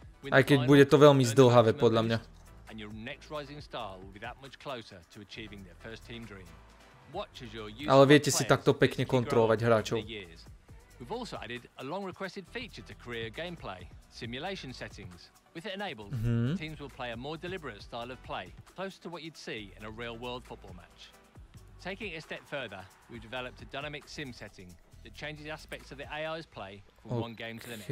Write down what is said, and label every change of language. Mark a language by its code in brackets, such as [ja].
[sk] Aj keď bude to veľmi zdlhavé, podľa mňa. [en] And your next rising star will be that much closer to achieving their first team dream. Watch as your youth. [sk] Ale viete si takto pekne kontrolovať hráčov. [en] We've also added a long requested feature to career gameplay, simulation settings. With it enabled, teams will play a more deliberate style of play, close to what you'd see in a real world football match. Taking it a step further, we've developed a dynamic sim setting that changes aspects of the AI's play from one game to the next.